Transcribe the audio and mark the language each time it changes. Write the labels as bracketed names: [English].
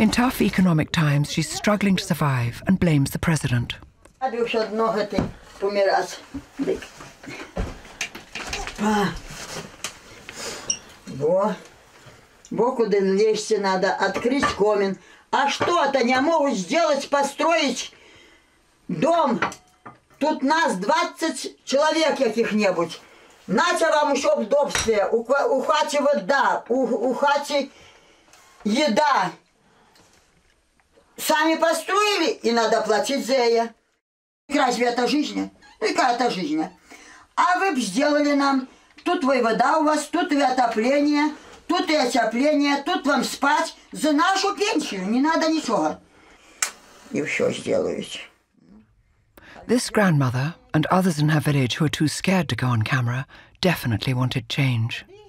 [English] In tough economic times, she's struggling to survive and blames the president. [Russian] А что-то не могут сделать, построить дом. Тут нас 20 человек каких-нибудь. Нате вам еще удобствие. У хати вода, у хати еда. Сами построили, и надо платить за ее. Разве это жизнь? Ну и какая-то жизнь. А вы бы сделали нам. Тут вы вода у вас, тут вы отопление. Тут и отопление, тут вам спать. За нашу пенсию не надо ничего. И все сделают. [English] This grandmother and others in her village who are too scared to go on camera definitely wanted change.